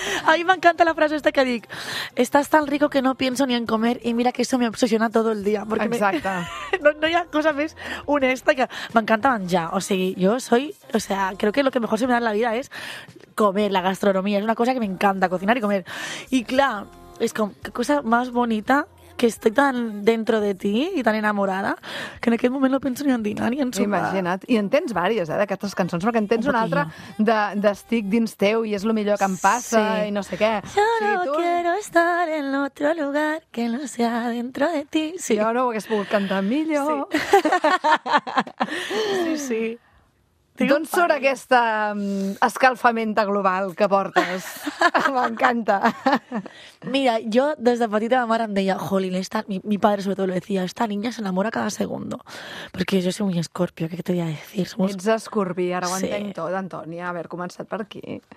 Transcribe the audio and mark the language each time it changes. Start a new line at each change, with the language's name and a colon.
Catalan: A mi m'encanta la frase esta que dic, estàs tan rico que
Spanish: no pienso ni en comer
Catalan: i mira que
Spanish: eso me obsesiona todo el día.
Catalan: Porque exacte. No hi ha cosa més honesta que... M'encanta menjar, o sigui, jo soy...
Spanish: O sea, creo que lo que mejor se me da en la vida es comer, la gastronomía, es una cosa que me encanta, cocinar y comer.
Catalan: Y clar, és com,
Spanish: que cosa más bonita...
Catalan: que estic tan dentro de ti i tan enamorada que en aquest moment no penso ni en dinar ni en sopar. Imagina't. I en tens diverses, d'aquestes cançons, perquè en tens una altra d'estic dins teu i és el millor que em passa, sí, i no sé què.
Spanish: Yo sí, no tu... quiero estar en otro lugar que no sea dentro de ti.
Catalan: Sí. Jo no ho hagués pogut cantar millor. Sí, sí. D'on surt aquesta escalfamenta global que portes? M'encanta. Mira, jo des de petita ma mare em deia, jolín, mi padre sobretot lo decía,
Spanish: esta niña se enamora cada segundo. Porque yo soy muy escorpio, ¿qué te voy a decir? Somos...
Catalan: Ets escorpí, ara ho entenc, sí, tot, Antònia, haver començat per aquí.